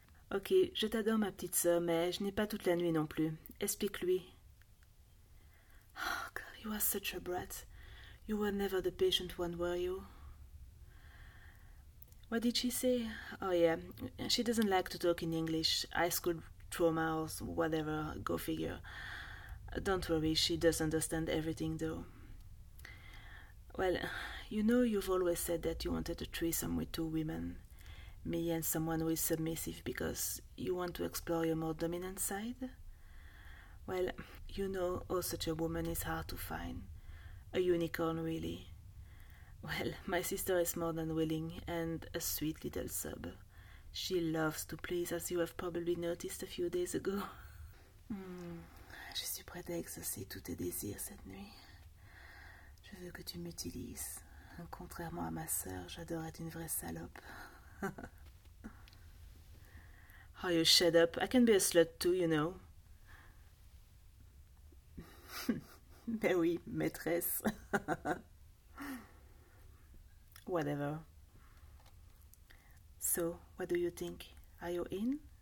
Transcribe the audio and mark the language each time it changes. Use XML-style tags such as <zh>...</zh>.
<fr>Ok, je t'adore ma petite sœur, mais je n'ai pas toute la nuit non plus. Explique-lui.</fr> <en>Oh God, you are such a brat. You were never the patient one, were you? What did she say? Oh yeah, she doesn't like to talk in English. High school trauma or whatever, go figure. Don't worry, she does understand everything though. Well, you know you've always said that you wanted a threesome with two women. Me and someone who is submissive because you want to explore your more dominant side? Well, you know, oh, such a woman is hard to find. A unicorn, really. Well, my sister is more than willing and a sweet little sub. She loves to please, as you have probably noticed a few days ago.</en> <fr>Je suis prête à exaucer tous tes désirs cette nuit. Je veux que tu m'utilises. Contrairement à ma sœur, j'adore être une vraie salope.</fr> <en>Oh, you shut up. I can be a slut too, you know.</en> <fr>Ben oui, maîtresse.</fr> <en>Whatever. So, what do you think? Are you in?</en>